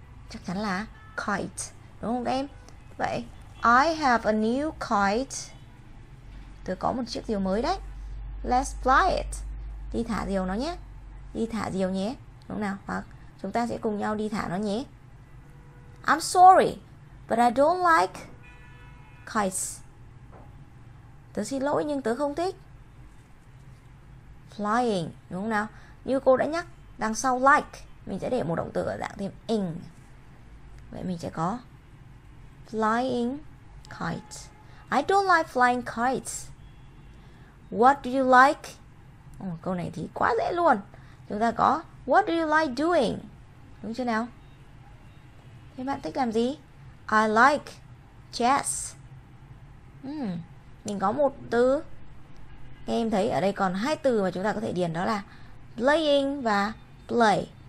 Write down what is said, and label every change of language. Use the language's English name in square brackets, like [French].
[Vietnamese] Chắc chắn là kite, đúng không các em? Vậy [English] I have a new kite. [Vietnamese] Tôi có một chiếc diều mới đấy. [English] Let's fly it. [Vietnamese] Đi thả diều nó nhé. Đi thả diều nhé. Đúng nào? Hoặc chúng ta sẽ cùng nhau đi thả nó nhé. [English] I'm sorry, but I don't like kites. [Vietnamese] Tớ xin lỗi nhưng tớ không thích flying, đúng không nào? Như cô đã nhắc, đằng sau like mình sẽ để một động từ ở dạng thêm ing. Vậy mình sẽ có flying kite. [English] I don't like flying kites. What do you like? [Vietnamese] Câu này thì quá dễ luôn. Chúng ta có [English] what do you like doing, [Vietnamese] đúng chưa nào? Thế bạn thích làm gì? [English] I like chess. [Vietnamese] Mình có một từ. Em thấy ở đây còn hai từ mà chúng ta có thể điền, đó là playing và play.